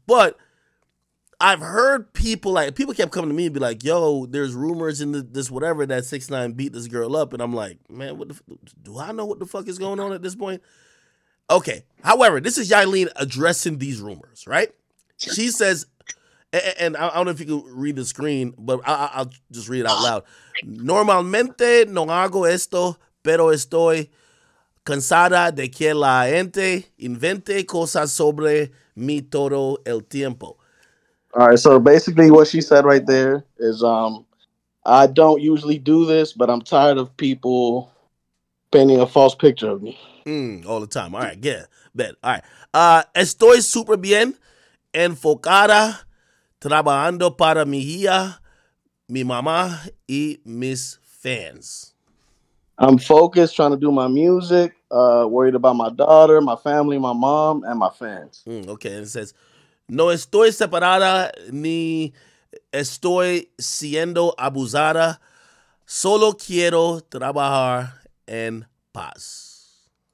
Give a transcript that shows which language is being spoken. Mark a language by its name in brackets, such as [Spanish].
[English] But I've heard people, like, people kept coming to me and be like, yo, there's rumors in this whatever that 6ix9ine beat this girl up. And I'm like, man, do I know what the fuck is going on at this point? Okay. However, this is Yailin addressing these rumors, right? She says, and I don't know if you can read the screen, but I'll just read it out loud. [Spanish] Normalmente no hago esto, pero estoy cansada de que la gente invente cosas sobre mí todo el tiempo. [English] All right, so basically what she said right there is, I don't usually do this, but I'm tired of people painting a false picture of me. All the time. All right, yeah, bet. All right. [Spanish] Estoy super bien enfocada trabajando para mi hija, mi mamá y mis fans. [English] I'm focused trying to do my music, worried about my daughter, my family, my mom, and my fans. Okay, and it says, [Spanish] no estoy separada ni estoy siendo abusada. Solo quiero trabajar en paz.